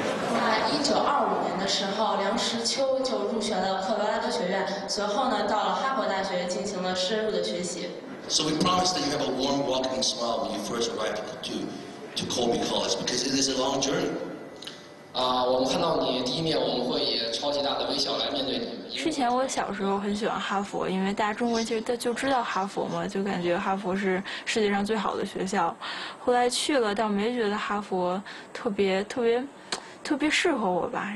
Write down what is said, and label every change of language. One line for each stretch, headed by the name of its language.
Chinese: 1925年的时候，梁实秋就入选了科罗拉多学院，随后呢，到了哈佛大学进行了深入的学习。
English: So we promise that you have a warm welcoming smile when you first arrive to Colby College, because it is a long journey.
Chinese: 我们看到你第一面，我们会以超级大的微笑来面对你。之前我小时候很喜欢哈佛，因为大家中国其实都就知道哈佛嘛，就感觉哈佛是世界上最好的学校。后来去了，倒没觉得哈佛特别适合我吧。